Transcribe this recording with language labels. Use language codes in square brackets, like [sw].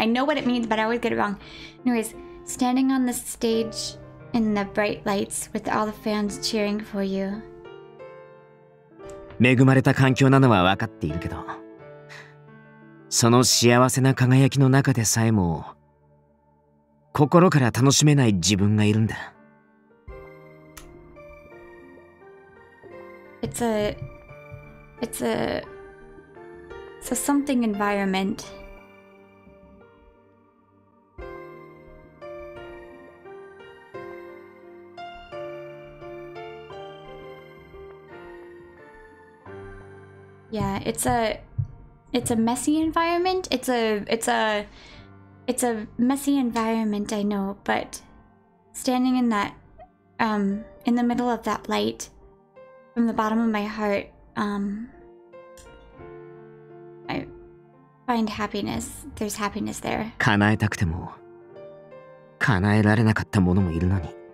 [en] I know what it means, but I always get it wrong. Anyways, standing on the stage in the bright lights with all the fans cheering for you. [ja] 恵まれた環境なのは分かっているけど。その幸せな輝きの中でさえも心から楽しめない自分がいるんだ。 [en] It's a something environment. Yeah, it's a messy environment. It's a messy environment, I know, but standing in that, in the middle of that light, from the bottom of my heart, I find happiness. There's happiness there. [ja] 叶えたくても、叶えられなかったものもいるのに。